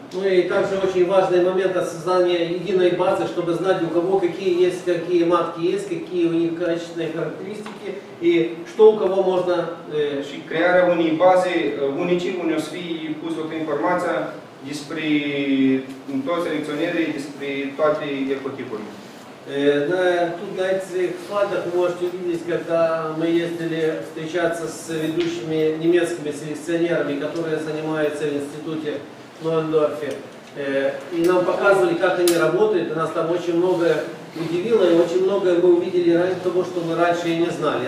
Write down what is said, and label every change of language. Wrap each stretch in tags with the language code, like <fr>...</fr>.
<ru>Ну и также очень важный момент создания единой базы, чтобы знать у кого какие матки есть, какие у них качественные характеристики и что у кого можно...</ru> <ro>Și crearea unei baze unice, unde o să fie pus toată informația despre toți selecționerii, despre toate ecotipurile.</ro> <ru>Тут на этих слайдах вы можете видеть, когда мы ездили встречаться с ведущими немецкими селекционерами, которые занимаются в институте в Нойендорфе. И нам показывали, как они работают. И нас там очень многое удивило, и очень многое мы увидели ради того, что мы раньше и не знали.</ru>